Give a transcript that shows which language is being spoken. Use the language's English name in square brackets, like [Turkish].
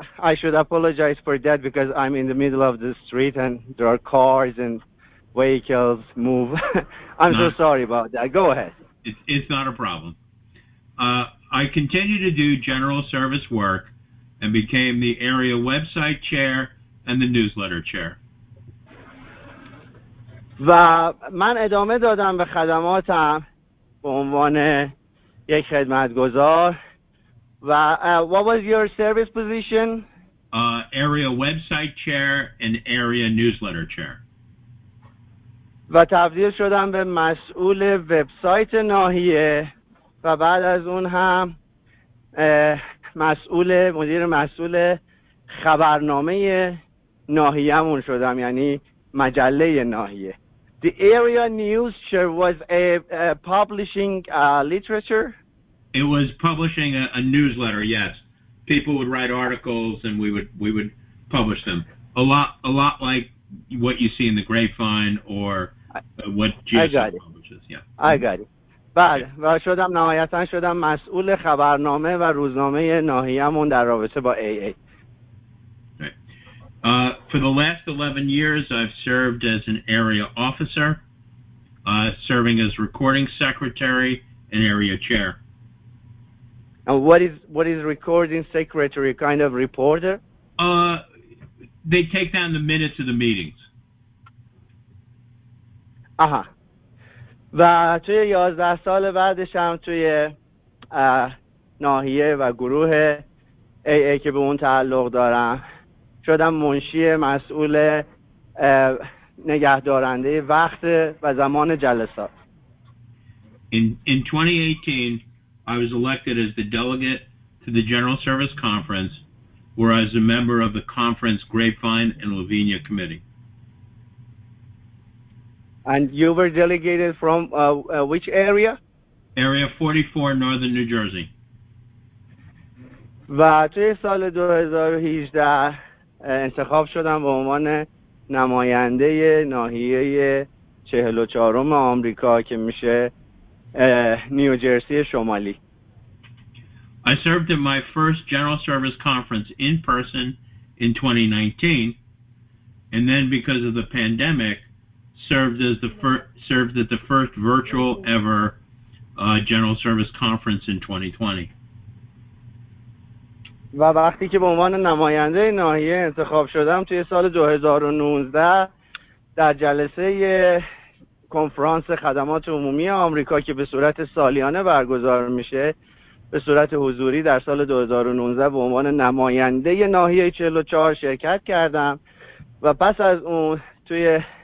[English] I should apologize for that because I'm in the middle of the street and there are cars and vehicles move. I'm not, so sorry about that. Go ahead. It's not a problem. I continued to do general service work and became the area website chair and the newsletter chair. [Persian] و من ادامه دادم به خدماتم به عنوان یک خدمتگزار. و [English] what was your service position? Area website chair and area newsletter chair. [Persian] و تبدیل شدم به مسئول وبسایت ناحیه و بعد از اون هم مسئول مدیر مسئول خبرنامه ناحیه‌مون شدم یعنی مجله ناحیه. [English] The area news chair was a publishing literature. It was publishing a newsletter, yes. People would write articles and we would publish them. A lot like what you see in the Grapevine or what GSM publishes. Yeah. I got it. [Persian] بله و شدم نهایتا شدم مسئول خبرنامه و روزنامه ناحیه‌مون در رابطه با AA. [English] For the last 11 years I've served as an area officer, serving as recording secretary and area chair. And what is recording secretary, kind of reporter? They take down the minutes of the meetings. Aha. [Persian] و توی 11 سال بعدش هم توی ناحیه و گروه AA که به اون تعلق دارم شدم منشی مسئول نگهدارنده وقت و زمان جلسات. [English] In 2018 I was elected as the delegate to the General Service Conference where I was a member of the Conference Grapevine and Lavinia Committee. And you were delegated from which area? Area 44, Northern New Jersey. [Persian] و توی سال 2018 انتخاب شدم به عنوان نماینده ناحیه 44 آمریکا که میشه نیوجرسی شمالی. [English] I served in my first General Service Conference in person in 2019, and then because of the pandemic, served at the first virtual ever General Service Conference in 2020. [Persian] و وقتی که به عنوان نماینده ناحیه انتخاب شدم توی سال 2019 در جلسه کنفرانس خدمات عمومی آمریکا که به صورت سالیانه برگزار میشه به صورت حضوری در سال 2019 به عنوان نماینده ناحیه 44 شرکت کردم و پس از اون توی